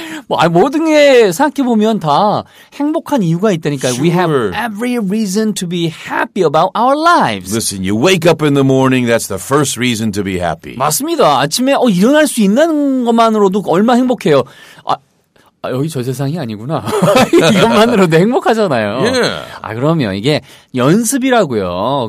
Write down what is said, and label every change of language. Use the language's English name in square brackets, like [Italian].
[Korean] 뭐, 모든 게 생각해보면 다 행복한 이유가 있다니까. [English] Sure. We have every reason to be happy about our lives. Listen, you wake up in the morning, that's the first reason to be happy. [Korean] 맞습니다. 아침에 일어날 수 있는 것만으로도 얼마 행복해요. 아, 여기 저 세상이 아니구나. 이것만으로도 행복하잖아요. [English] Yeah. [Korean] 아, 그러면 이게 연습이라고요.